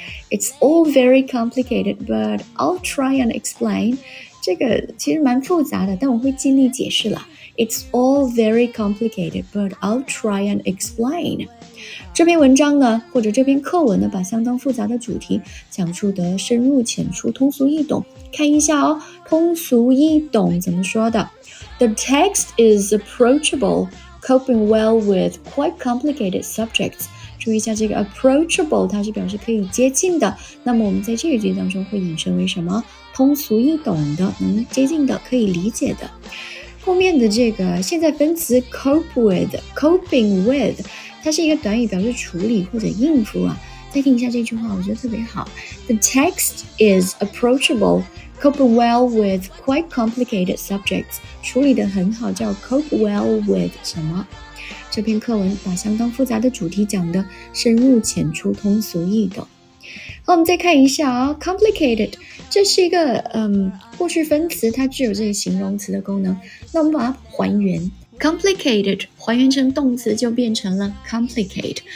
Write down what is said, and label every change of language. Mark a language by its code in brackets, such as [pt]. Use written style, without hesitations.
[en] It's all very complicated, but I'll try and explain. [zh] 这个其实蛮复杂的，但我会尽力解释了。 [en] It's all very complicated, but I'll try and explain. [zh] 这篇文章呢，或者这篇课文呢，把相当复杂的主题讲述得深入浅出，通俗易懂。看一下哦，通俗易懂怎么说的？ [en] The text is approachable, coping well with quite complicated subjects. [zh] 注意一下这个 approachable， 它是表示可以接近的。那么我们在这一句当中会引申为什么？通俗易懂的，能接近的，可以理解的。后面的这个现在分词 cope with， coping with，它是一个短语，表示处理或者应付啊。再听一下这句话，我觉得特别好。 [en] The text is approachable, coping well with quite complicated subjects，处理得很好，叫 cope well with 什么？ [zh] 这篇课文把相当复杂的主题讲得深入浅出，通俗易懂。好，我们再看一下哦， complicated， 这是一个过去分词，它具有这个形容词的功能。那我们把它还原， complicated 还原成动词就变成了 complicate。